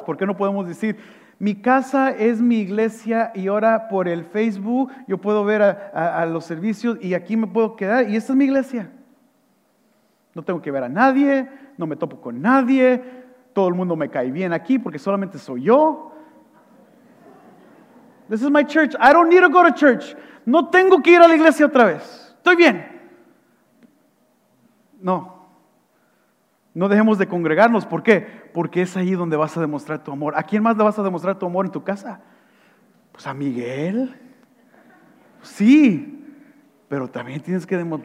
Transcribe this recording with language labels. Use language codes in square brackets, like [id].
[es] ¿Por qué no podemos decir, mi casa es mi iglesia y ahora por el Facebook yo puedo ver a los servicios y aquí me puedo quedar y esta es mi iglesia? No tengo que ver a nadie, no me topo con nadie, todo el mundo me cae bien aquí porque solamente soy yo. [en] This is my church, I don't need to go to church. [es] No tengo que ir a la iglesia otra vez, estoy bien. No. No dejemos de congregarnos. ¿Por qué? Porque es ahí donde vas a demostrar tu amor. ¿A quién más le vas a demostrar tu amor en tu casa? Pues a Miguel. Sí, pero también tienes que demostrar.